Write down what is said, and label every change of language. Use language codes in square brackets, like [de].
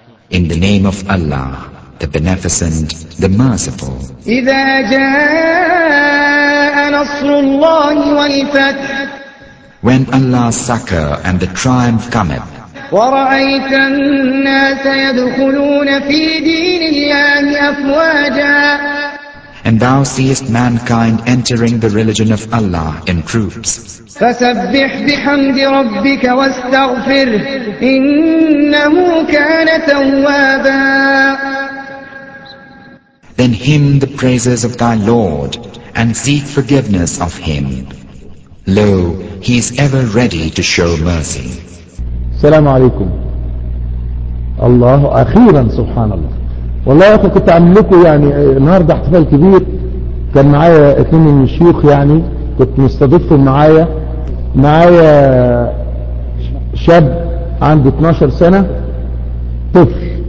[en] In the name of Allah, the beneficent, the merciful. [ar] إذا جاء نصر الله والفتح. [en] When Allah's succor and the triumph cometh. [ar] ورأيت الناس يدخلون في دين الله أفواجا. [en] And thou seest mankind entering the religion of Allah in troops. [ar] فسبح بحمد ربك واستغفر إنه كان توابا. [en] Then hymn the praises of thy Lord and seek forgiveness of him. Lo, he is ever ready to show mercy. [ar] السلام عليكم. الله اخيرا سبحان الله. والله يا اخي كنت عامل لكم يعني النهارده احتفال كبير. كان معايا اثنين من الشيوخ يعني كنت مستضيفهم معايا شاب عنده 12 سنه طفل.